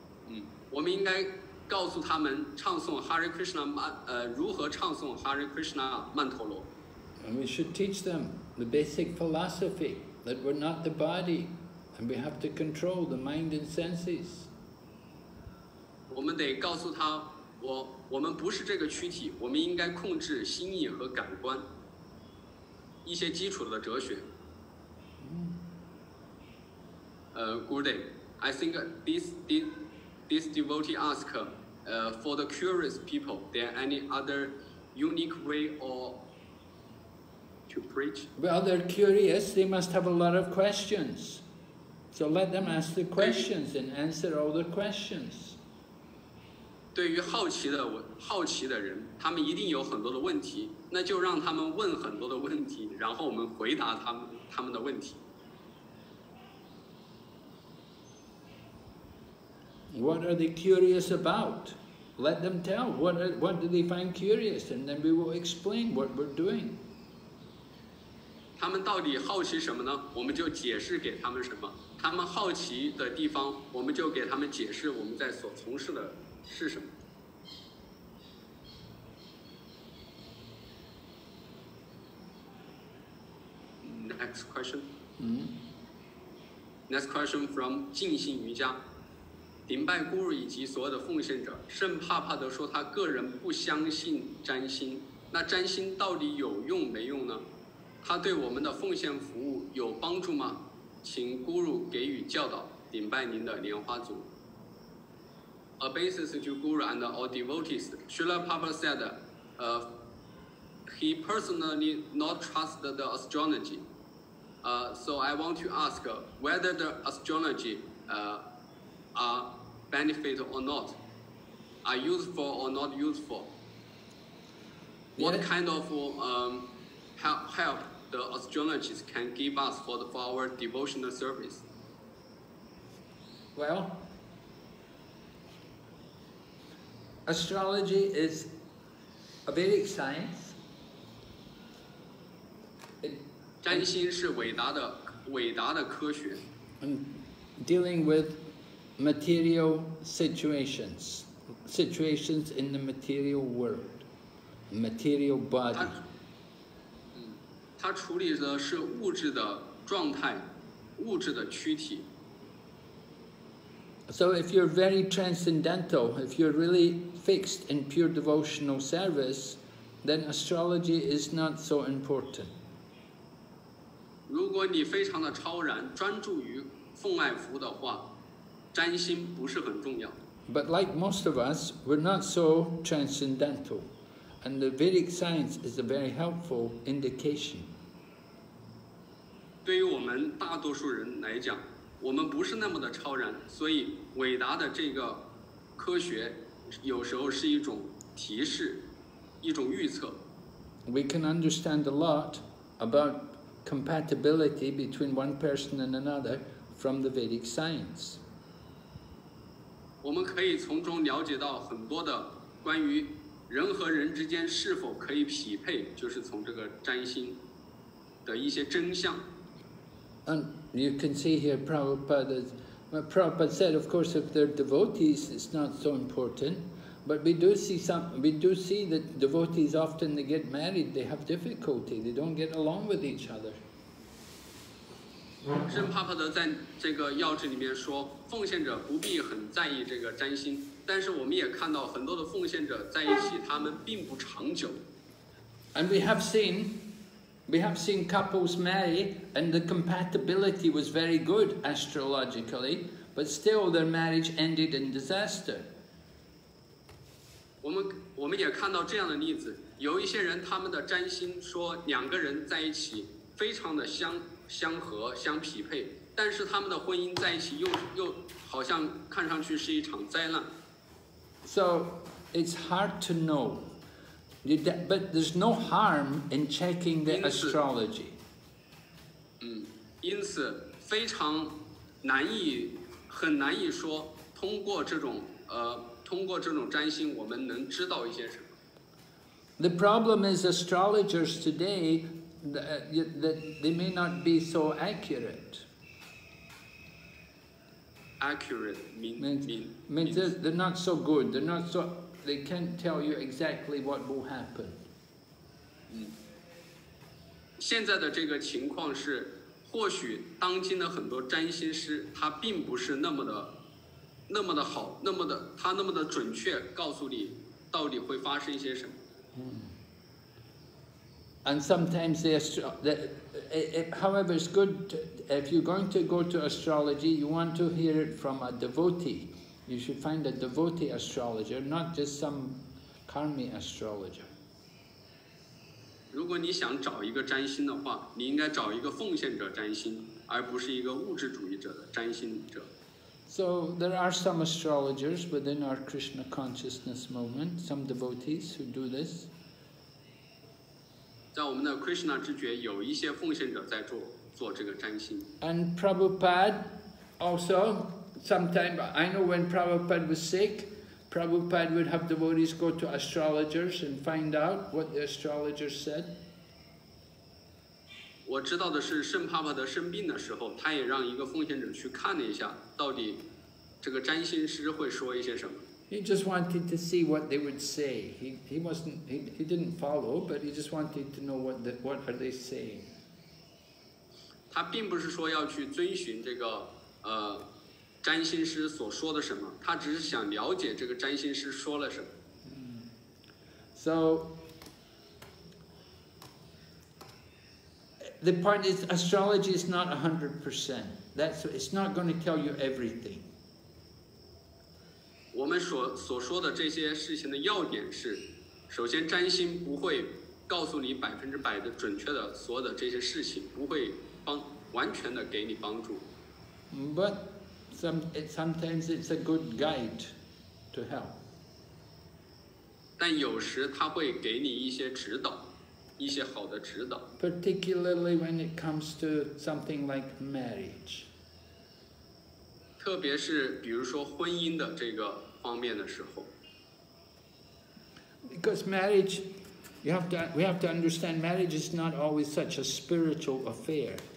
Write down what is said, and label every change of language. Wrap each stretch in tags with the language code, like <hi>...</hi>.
<zh>嗯，我们应该告诉他们唱诵 Hare Krishna 如何唱诵 Hare Krishna 曼陀罗。</zh> <en>And we should teach them the basic philosophy that we're not the body. And we have to control the mind and senses.</en> <zh>我们得告诉他，我们不是这个躯体，我们应该控制心意和感官。一些基础的哲学。</zh> <en>Gurudev, I think this devotee asked, for the curious people, there any other unique way or to preach? Well, they're curious. They must have a lot of questions. So let them ask the questions and answer all the questions.</en> <zh>对于好奇的人，他们一定有很多的问题，那就让他们问很多的问题，然后我们回答他们的问题。</zh> <en>What are they curious about? Let them tell. What do they find curious? And then we will explain what we're doing.</en> <zh>他们到底好奇什么呢？我们就解释给他们什么。他们好奇的地方，我们就给他们解释我们在所从事的是什么。</zh> <en>next question. Mm-hmm. Next question from</en> <zh>静心瑜伽，顶拜孤儿以及所有的奉献者，圣帕帕德说他个人不相信占星，那占星到底有用没用呢？他对我们的奉献服务有帮助吗？请孤儿给予教导，顶拜您的莲花组。</zh> <en>A basis to guru and all devotees, Srila Prabhupada said, he personally not trust the astrology. So I want to ask whether the astrology are benefit or not, are useful or not useful. What kind of help the astrologers can give us for our devotional service? Well,astrology is a Vedic science.</en> <zh>占星是伟大的科学。</zh> <en>Dealing with material situations in the material world, material body.</en> <zh>它处理的是物质的状态，物质的躯体。</zh> <en>So if you're very transcendental, if you're really fixed in pure devotional service, then astrology is not so important.</en> <zh>如果你非常的超然，专注于奉爱服的话，占星不是很重要。</zh> <en>But like most of us, we're not so transcendental, and the Vedic science is a very helpful indication.</en> <zh>对于我们大多数人来讲，我们不是那么的超然，所以伟达的这个科学有时候是一种提示，一种预测。</zh> <en>We can understand a lot about compatibility between one person and another from the Vedic science.</en> <zh>我们可以从中了解到很多的关于人和人之间是否可以匹配，就是从这个占星的一些真相。</zh> <en>And you can see here Prabhupada said, of course, if they're devotees, it's not so important. But we do see that devotees, often they get married, they have difficulty, they don't get along with each other.</en> <zh>Shen Prabhupada 在这个要旨里面说，奉献者不必很在意这个占星，但是我们也看到很多的奉献者在一起，他们并不长久。</zh> <en>And we have seen couples marry, and the compatibility was very good astrologically, but still their marriage ended in disaster.</en> <zh>我们也看到这样的例子，有一些人他们的占星说两个人在一起非常的相合相匹配，但是他们的婚姻在一起又好像看上去是一场灾难。</zh> <en>So it's hard to know. But there's no harm in checking the astrology.</en> <zh>因此非常难以很难以说通过这种占星我们能知道一些什么。</zh> <en>The problem is astrologers today, that they may not be so accurate. Accurate means they're not so good, they're not so... They can't tell you exactly what will happen.</en> <zh>现在的这个情况是，或许当今的很多占星师他并不是那么的好，那么的准确告诉你到底会发生一些什么。</zh> <en>And sometimes however, it's good if you're going to go to astrology, you want to hear it from a devotee. You should find a devotee astrologer, not just some karmi astrologer.</en> <zh>如果你想找一个占星的话，你应该找一个奉献者占星，而不是一个物质主义者的占星者。</zh> <en>So there are some astrologers within our Krishna consciousness movement, some devotees who do this.</en> <zh>在我们的 Krishna 知觉，有一些奉献者在做这个占星。</zh> <en>And Prabhupada also. Sometimes, I know when Prabhupada was sick, Prabhupada would have devotees go to astrologers and find out what the astrologers said.</en> <zh>我知道的是圣帕帕德生病的时候，他也让一个奉献者去看了一下，到底这个占星师会说一些什么。</zh> <en>He just wanted to see what they would say. He didn't follow, but he just wanted to know what are they saying.</en> <zh>他并不是说要去遵循这个占星师所说的什么，他只是想了解这个占星师说了什么。</zh> <en>So the point is, astrology is not 100%. That's it's not going to tell you everything.</en> <zh>我们所说的这些事情的要点是，首先占星不会告诉你100%的准确的所有的这些事情，不会完全的给你帮助。</zh> <en>But sometimes it's a good guide to help.</en> <zh>但有时它会给你一些指导，一些好的指导。</zh> <en>Particularly when it comes to something like marriage.</en> <zh>特别是比如说婚姻的这个方面的时候。</zh> <en>Because marriage, we have to understand, marriage is not always such a spiritual affair.</en>